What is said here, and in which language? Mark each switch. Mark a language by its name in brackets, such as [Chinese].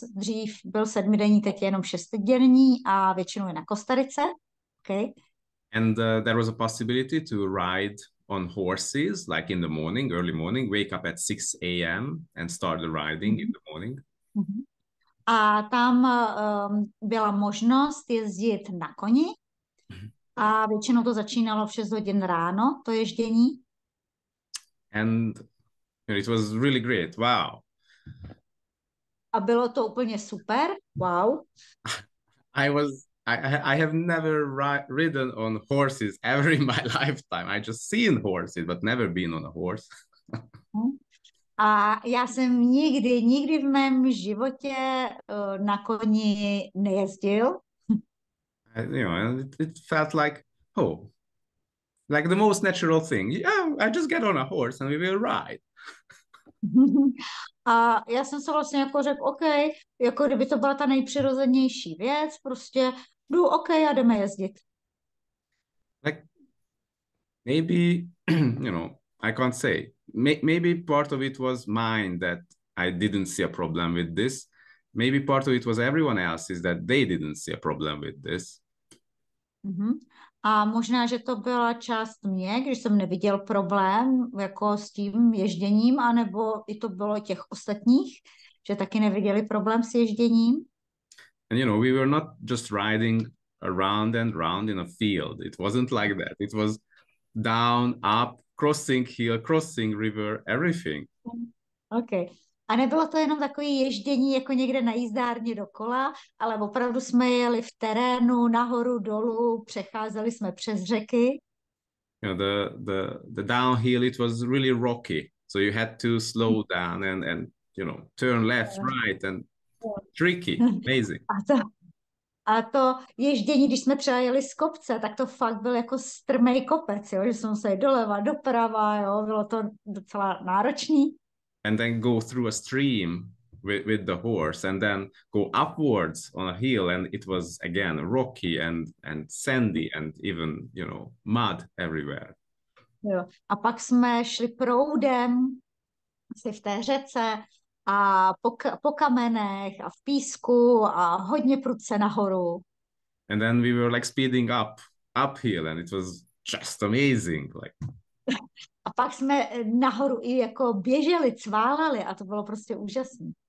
[Czech] Dřív byl sedmidenní, teď je jenom šestidenní a většinou je na Kostarice. [English] Okay. And there was a possibility to ride on horses, like in the morning, early morning, wake up at 6 a.m. and start the riding in the morning. Mm-hmm. [Czech] A tam byla možnost jezdit na koni. A většinou to začínalo v 6 hodin ráno, to ježdění. [English] And it was really great. Wow. [Czech] A bylo to úplně super. Wow. [English] I have never ridden on horses ever in my lifetime. I just seen horses, but never been on a horse. [Czech] A já jsem nikdy v mém životě na koni nejezdil. [English] You know, and it felt like, oh, like the most natural thing. Yeah, I just get on a horse and we will ride. [Czech] A já jsem se vlastně jako řekl, OK, jako kdyby to byla ta nejpřirozenější věc, prostě jdu OK a jdeme jezdit. [English] Like, maybe, you know, I can't say. Maybe part of it was mine that I didn't see a problem with this. Maybe part of it was everyone else's that they didn't see a problem with this. Mm-hmm. [Czech] A možná, že to byla část mě, když jsem neviděl problém jako s tím ježděním, anebo i to bylo těch ostatních, že taky neviděli problém s ježděním. [English] And you know, we were not just riding around and round in a field. It wasn't like that. It was down, up, crossing hill, crossing river, everything. Okay. [Czech] A nebylo to jenom takové ježdění jako někde na jízdárně dokola, ale opravdu jsme jeli v terénu, nahoru, dolů, přecházeli jsme přes řeky. [English] You know, the downhill, it was really rocky. So you had to slow down and you know, turn left, right, and tricky, amazing. [Czech] A to ježdění, když jsme třeba jeli z kopce, tak to fakt byl jako strmej kopec, jo? Že jsme museli doleva, doprava, jo? Bylo to docela náročný. [English] And then go through a stream with the horse and then go upwards on a hill. And it was, again, rocky and sandy and even, you know, mud everywhere. [Czech] Jo. A pak jsme šli proudem asi v té řece a po kamenech a v písku a hodně prudce nahoru. [English] And then we were like speeding up uphill and it was just amazing, like... [Czech] A pak jsme nahoru i jako běželi, cválali a to bylo prostě úžasné.